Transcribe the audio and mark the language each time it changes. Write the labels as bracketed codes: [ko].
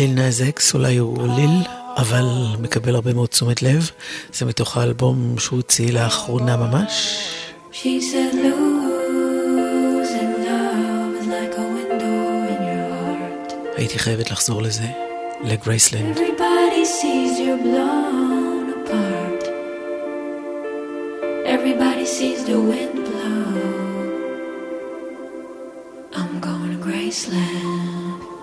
[he] זקס, אולי הוא ליל, אבל מקבל הרבה מאוד תשומת לב. זה מתוך האלבום שהוא הוציא לאחרונה ממש. [en] She said losing love is like a window in your heart. [he] הייתי חייבת לחזור לזה, לגרייסלנד. [en] Everybody sees you're blown apart. Everybody sees the wind blow. I'm going to Graceland.